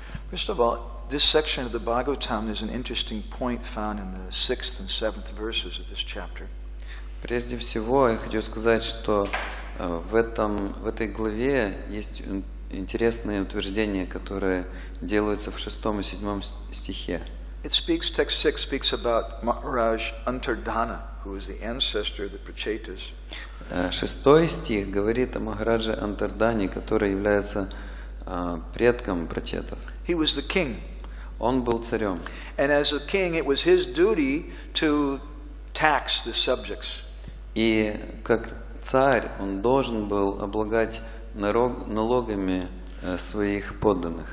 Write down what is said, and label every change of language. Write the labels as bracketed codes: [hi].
[en] First of all, this section of the Bhagavatam is an interesting point found in the 6th and 7th verses of this chapter. [ru] Прежде всего, я хочу сказать, что в этой главе есть интересные утверждения, которые делаются в 6 и 7 стихе. [en] It speaks, text 6 speaks about Maharaj Antardhana, who is the ancestor of the Prachetas. [ru] Шестой стих говорит о Махарадже Антардане, который является предком Прачетов. [en] He was the king. [ru] Он был царем. [en] And as a king, it was his duty to tax the subjects. [ru] И как царь, он должен был облагать налогами своих подданных.